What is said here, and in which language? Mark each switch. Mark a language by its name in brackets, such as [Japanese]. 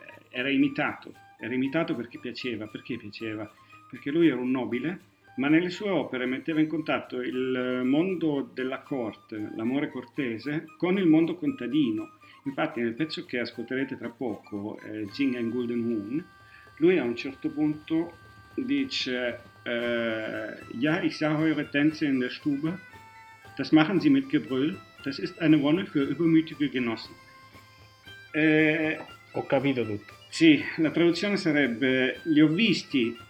[Italian] Era imitato perché piaceva. Perché piaceva? Perché lui era un nobile. Ma nelle sue opere metteva in contatto il mondo della corte, l'amore cortese, con il mondo contadino. [German] Infatti, nel pezzo che ascolterete tra poco, Jingle and Golden Moon, lui a un certo punto dice: Ja, ich sah eure Tänze in der Stube, das machen sie mit Gebrüll, das ist eine Wonne für übermütige Genossen. [Italian] Ho capito tutto. Sì, la traduzione sarebbe: Li ho visti.